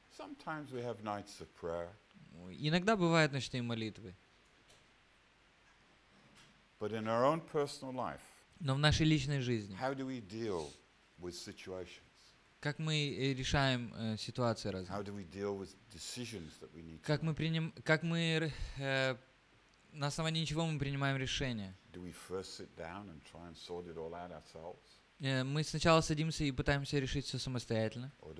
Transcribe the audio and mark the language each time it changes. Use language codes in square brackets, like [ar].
[en] Sometimes we have nights of prayer. [ru] Иногда бывают ночные молитвы. [en] But in our own personal life, [ru] но в нашей личной жизни, [en] how do we deal with situations? [ru] Как мы решаем ситуации разные? [en] How do we deal with decisions that we need to make? [ru] На основании чего мы принимаем решения? [en] Do we first sit down and try and sort it all out ourselves? [ru] Мы сначала садимся и пытаемся решить все самостоятельно.